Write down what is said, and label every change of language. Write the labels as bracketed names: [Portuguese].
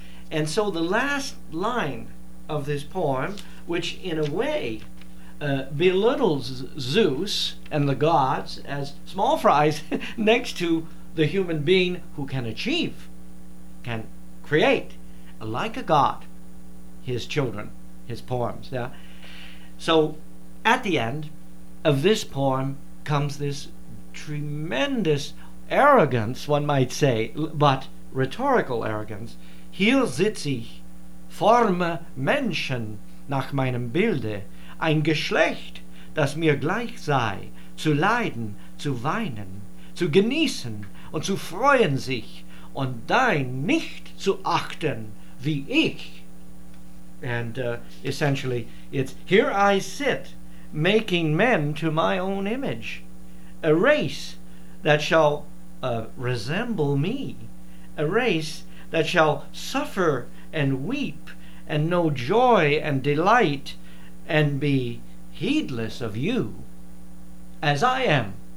[English] And so the last line of this poem, which in a way belittles Zeus and the gods as small fries next to the human being who can achieve, can create, like a god, his children, his poems. Yeah. So at the end of this poem comes this tremendous arrogance, one might say, but rhetorical arrogance. [German] Hier sitz ich, forme Menschen nach meinem Bilde, ein Geschlecht, das mir gleich sei, zu leiden, zu weinen, zu genießen und zu freuen sich und dein nicht zu achten wie ich. [English] And essentially, it's here I sit, making men to my own image, a race that shall resemble me, a race that shall suffer and weep and know joy and delight and be heedless of you, as I am.